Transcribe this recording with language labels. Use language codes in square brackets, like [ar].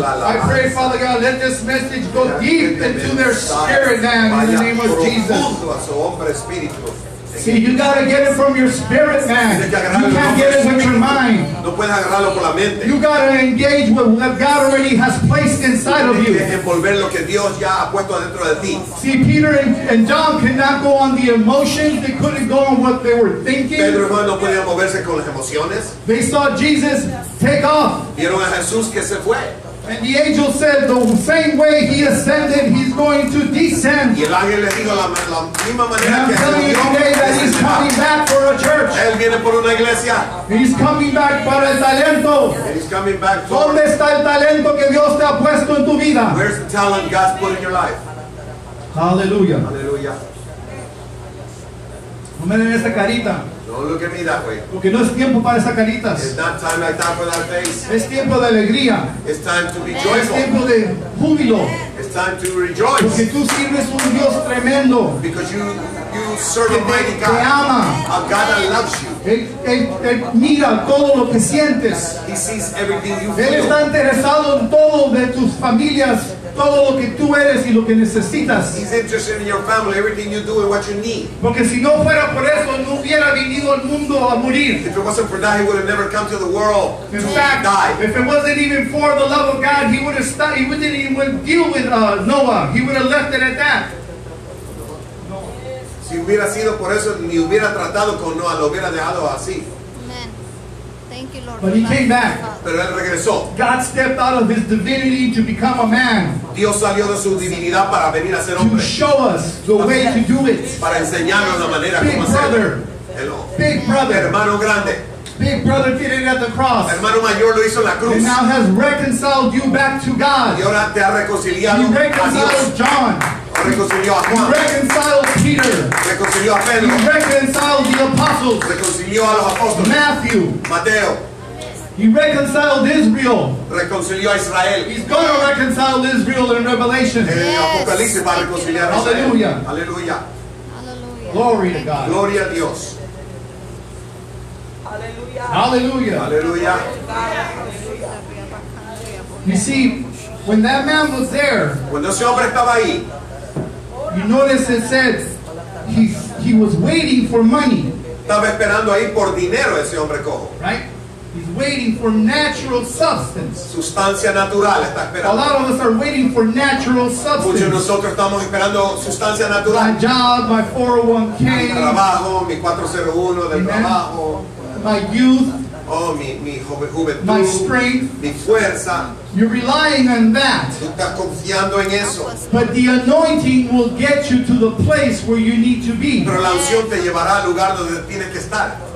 [en] I pray, Father God, let this message go deep into their spirit, man, in the name of Jesus. See, you gotta get it from your spirit, man. You can't get it with your mind. [es] No puedes agarrarlo por la mente. [en] You gotta engage with what God already has placed inside of you. [es] Envolver lo que Dios ya ha puesto dentro de ti. [en] See, Peter and John could not go on the emotions. They couldn't go on what they were thinking. [es] Pedro y Juan no podían moverse con las emociones. [en] They saw Jesus take off. [es] Vieron a Jesús que se fue. [en] And the angel said, the same way he ascended, he's going to descend. [es] Y el ángel le dijo la misma manera [en] and I'm telling you today that he's coming back for a church. [es] Él viene por una iglesia. [en] He's coming back for [es] el talento. [en] He's coming back for. [es] ¿Dónde está el talento que Dios te ha puesto en tu vida? [en] Where's the talent God's put in your life? Hallelujah. Hallelujah. [es] No me den esa carita. [en] Don't look at me that way. [es] Porque no es tiempo para esas caritas. [en] It's not time like that for that face. [es] Es tiempo de alegría. [en] It's time to be joyful. [es] Es tiempo de júbilo. [en] It's time to rejoice. [es] Porque tú sirves un Dios tremendo. [en] Because you serve a mighty God. [es] Te ama. [en] A God that loves you. [es] Él mira todo lo que sientes. [en] He sees everything you feel. [es] Él está interesado en todo de tus familias. Todo lo que tú eres y lo que necesitas. [en] He's interested in your family, everything you do and what you need. [es] Porque si no fuera por eso, no hubiera venido al mundo a morir. [en] If it wasn't for that, he would have never come to the world in to fact, die. If it wasn't even for the love of God, he would have stopped. He wouldn't even deal with Noah. He would have left it at that. No. [es] Si hubiera sido por eso, ni hubiera tratado con Noah, lo hubiera dejado así. [en] Thank you, Lord. But he came back. [es] Pero él regresó. [en] God stepped out of his divinity to become a man. [es] Dios salió de su divinidad para venir a ser hombre. [en] To show us the way to do it. [es] Para enseñarnos la manera [en] big [es] cómo [en] brother. [es] Hacerlo. [en] Big brother. [es] Hermano grande. [en] Big brother did it at the cross. [es] Hermano mayor lo hizo en la cruz. [en] He now has reconciled you back to God. [es] Y ahora te ha reconciliado. [en] He reconciled [es] a Dios. [en] John. [es] Reconcilió a Juan. [en] He reconciled Peter. [es] Reconcilió a Pedro. [en] He reconciled the apostles. [es] Reconcilió a los apóstoles. [en] Matthew. [es] Mateo. [en] He reconciled Israel. [es] Reconcilió a Israel. [en] He's going to reconcile Israel in Revelation. Yes. [es] En Apocalipsis va a reconciliar a Israel. [en] Hallelujah. Hallelujah. Glory to God. [es] Gloria a Dios. [en] Hallelujah. Hallelujah. You see, when that man was there, [es] cuando ese hombre estaba ahí, [en] you notice it says he was waiting for money. [es] Estaba esperando ahí por dinero ese hombre cojo. [en] Right? He's waiting for natural substance. [es] Sustancia natural está esperando. [en] A lot of us are waiting for natural substance. [es] Muchos de nosotros estamos esperando sustancia natural. [en] My job, my 401k. [es] Mi trabajo, mi 401 del trabajo. [en] My youth. [es] Oh, mi juventud. [en] My strength. [es] Mi fuerza. [en] You're relying on that. [es] Tú estás confiando en eso. [en] But the anointing will get you to the place where you need to be. [es] Pero la unción te llevará al lugar donde tienes que estar.